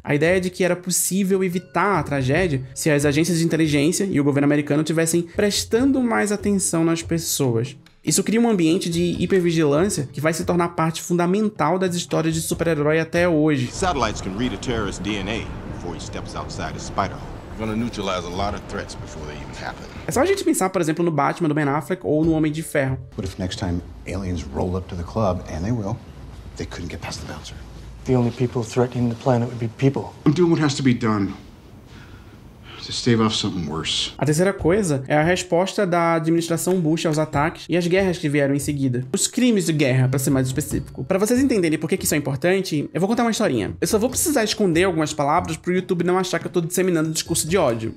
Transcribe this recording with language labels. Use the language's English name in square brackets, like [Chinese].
[Portuguese] A ideia de que era possível evitar a tragédia se as agências de inteligência e o governo americano estivessem prestando mais atenção nas pessoas. Isso cria um ambiente de hipervigilância que vai se tornar parte fundamental das histórias de super-herói até hoje. [English] Satellites can read a terrorist DNA before he steps outside his spider hole. Gonna neutralize a lot of threats before they even happen. É só a gente pensar, por exemplo, no Batman do Ben Affleck ou no Homem de Ferro. What if next time aliens roll up to the club and they will, they couldn't get past the bouncer. The only people threatening the planet would be people. I'm doing what has to be done. To stave off something worse. [Portuguese] A terceira coisa é a resposta da administração Bush aos ataques e as guerras que vieram em seguida. Os crimes de guerra, pra ser mais específico. Pra vocês entenderem por que isso é importante, eu vou contar uma historinha. Eu só vou precisar esconder algumas palavras pro YouTube não achar que eu tô disseminando discurso de ódio.